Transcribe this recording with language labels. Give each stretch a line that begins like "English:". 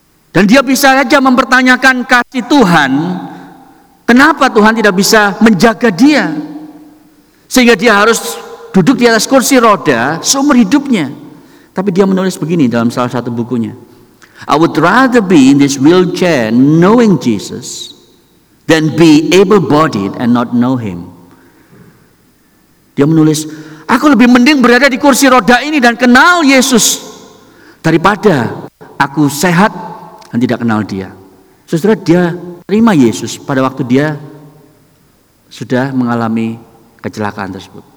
Indonesian: Dan dia bisa saja mempertanyakan kasih Tuhan, kenapa Tuhan tidak bisa menjaga dia, sehingga dia harus duduk di atas kursi roda seumur hidupnya. Tapi dia menulis begini dalam salah satu bukunya.
English: I would rather be in this wheelchair knowing Jesus than be able-bodied and not know him.
Indonesian: Dia menulis, aku lebih mending berada di kursi roda ini dan kenal Yesus daripada aku sehat dan tidak kenal dia. Saudara, dia terima Yesus pada waktu dia sudah mengalami kecelakaan tersebut.